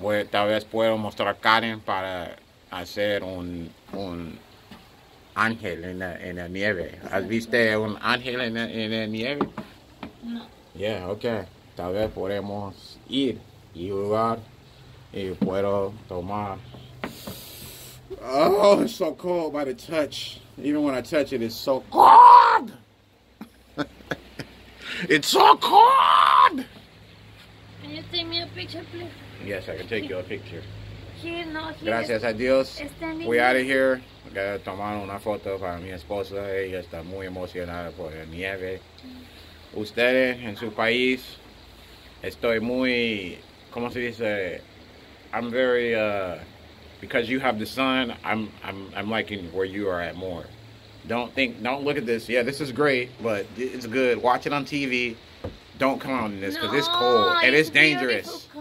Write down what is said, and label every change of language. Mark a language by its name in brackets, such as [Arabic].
[Spanish] Tal vez puedo mostrar a Karen para hacer un ángel en la nieve. ¿Has visto un ángel en la nieve? No. [English] Yeah, okay. [Spanish] Tal vez podemos ir y jugar y puedo tomar. [English] Oh, it's so cold by the touch. Even when I touch it, it's so cold. It's so cold. Can you take me a picture, please? Yes, I can take you a picture. [Spanish] Gracias a Dios. [English] We out of here. We got to [Spanish] tomar una foto para mi esposa. Ella está muy emocionada por la nieve. Ustedes en su país, estoy muy, ¿cómo se dice? [English] I'm very, because you have the sun, I'm liking where you are at more. Don't look at this. Yeah, this is great, but it's good. Watch it on TV. Don't come on this because it's cold and it's dangerous.